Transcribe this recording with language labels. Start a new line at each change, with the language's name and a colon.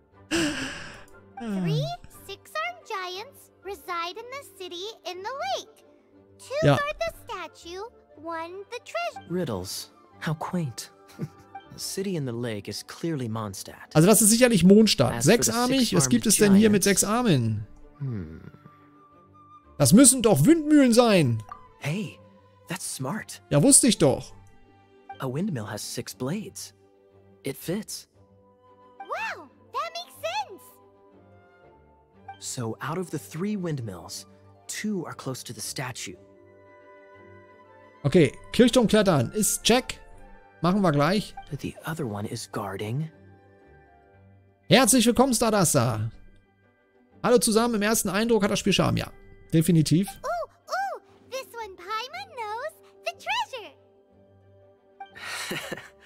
English: Three six-armed giants reside in the city in the lake. Two guard the statue, one the treasure. Riddles. How quaint. The city in the lake is clearly Mondstadt.
German: Also das ist sicherlich Mondstadt. Sechsarmig? Was gibt es denn hier mit sechs Armen? Das müssen doch Windmühlen sein.
English: Hey, that's smart.
German: Ja, wusste ich doch.
English: A windmill has six blades. It fits. Wow, that makes sense. So out of the three windmills, two are close to the statue.
German: Okay, Kirchturm klettern. Ist check. Machen wir gleich.
English: But the other one is guarding.
German: Herzlich willkommen, Stardasta. Hallo zusammen, im ersten Eindruck hat das Spiel Charme, ja. Definitiv.
English: Oh, oh, this one Paimon knows the treasure.